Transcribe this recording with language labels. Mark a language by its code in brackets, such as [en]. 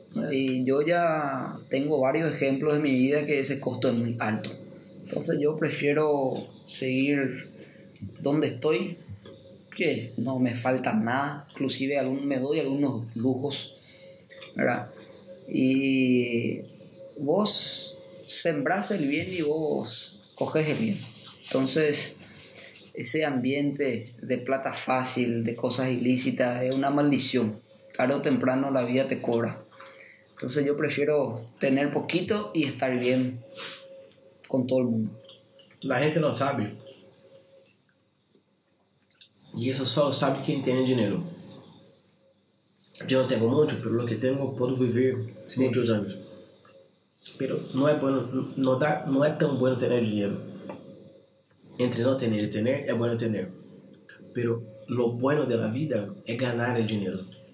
[pt] E eu já tenho vários exemplos de minha vida que esse custo é muito alto. Então eu prefiro seguir onde estou. [es] Que no me falta nada, inclusive me doy algunos lujos, ¿verdad? Y vos sembrás el bien y vos coges el bien. Entonces, ese ambiente de plata fácil, de cosas ilícitas, es una maldición. Tarde o temprano la vida te cobra. Entonces yo prefiero tener poquito y estar bien con todo el mundo. La gente no sabe. [pt] E isso só sabe quem tem dinheiro. Eu não tenho muito, mas o que tenho eu posso viver sim, muitos anos. Mas não é bom, não é tão bom ter dinheiro. Entre não ter e ter, é bom ter. Mas o bom da vida é ganhar dinheiro.